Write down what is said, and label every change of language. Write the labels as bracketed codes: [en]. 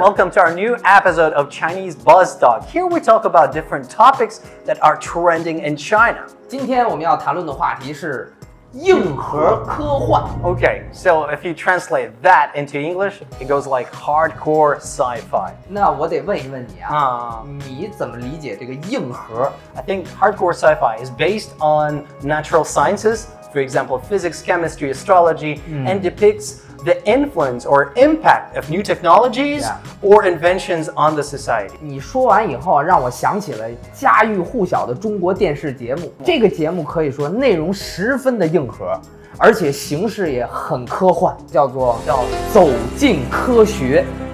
[en] Welcome to our new episode of Chinese BuzzTalk. Here we talk about different topics that are trending in China. [zh] 今天我们要谈论的话题是硬核科幻。 [en] Okay, so if you translate that into English, it goes like hardcore sci-fi. [zh] 那我得问一问你啊，你怎么理解这个硬核？ [en] I think hardcore sci-fi is based on natural sciences, for example, physics, chemistry, astrology, and depicts the influence or impact of new technologies or inventions on the society. [zh] 你说完以后让我想起了家喻户晓的中国电视节目。这个节目可以说内容十分的硬核，而且形式也很科幻，叫走进科学。